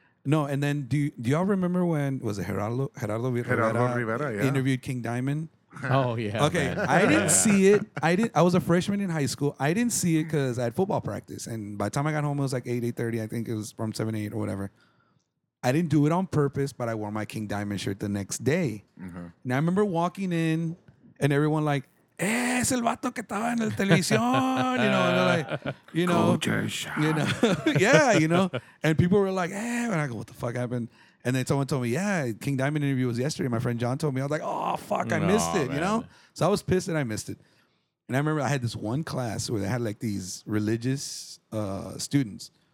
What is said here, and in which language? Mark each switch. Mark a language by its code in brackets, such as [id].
[en] No, and then do y'all remember when was it Gerardo Rivera interviewed King Diamond? Oh yeah. Okay. Man. I didn't see it. I was a freshman in high school. I didn't see it because I had football practice. And by the time I got home, it was like 8:30. I think it was from 7:00 to 8:00 or whatever. I didn't do it on purpose, but I wore my King Diamond shirt the next day. Mm-hmm. And I remember walking in and everyone like, [es] es el vato que estaba en el televisión. [en] You know, and they're like, you know. Culture shock. You know. Yeah, you know. And people were like, and I go, what the fuck happened? And then someone told me, King Diamond interview was yesterday. My friend John told me. I was like, oh, fuck, I missed it, man. You know? So I was pissed that I missed it. And I remember I had this one class where they had, like, these religious students.